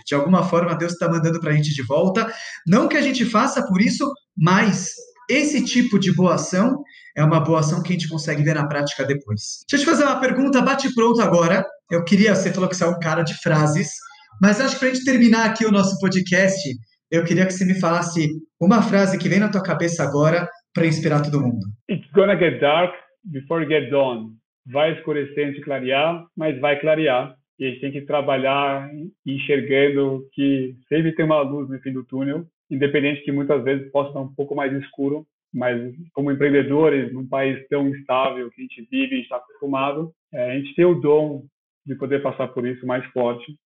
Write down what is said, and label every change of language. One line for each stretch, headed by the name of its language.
Portuguese: De alguma forma, Deus está mandando para a gente de volta. Não que a gente faça por isso, mas esse tipo de boa ação é uma boa ação que a gente consegue ver na prática depois. Deixa eu te fazer uma pergunta, bate pronto agora. Eu queria, você falou que você é um cara de frases, mas acho que para a gente terminar aqui o nosso podcast, eu queria que você me falasse uma frase que vem na tua cabeça agora para inspirar todo mundo.
English: It's gonna get dark before it gets dawn.
Portuguese: Vai escurecer antes de clarear, mas vai clarear. E a gente tem que trabalhar enxergando que sempre tem uma luz no fim do túnel, independente que muitas vezes possa estar um pouco mais escuro, mas como empreendedores, num país tão instável que a gente vive e está acostumado, a gente tem o dom de poder passar por isso mais forte.